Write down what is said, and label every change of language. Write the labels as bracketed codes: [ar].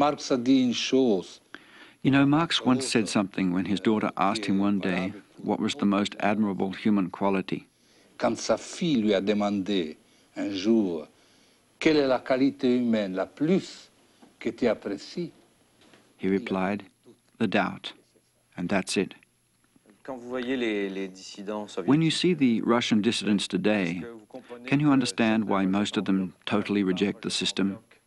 [en] You know, Marx once said something when his daughter asked him one day what was the most admirable human quality. [fr] Quand sa fille lui a demandé un jour quelle est la qualité humaine la plus que tu apprécies, [en] he replied, the doubt, and that's it. When you see the Russian dissidents today, can you understand why most of them totally reject the system?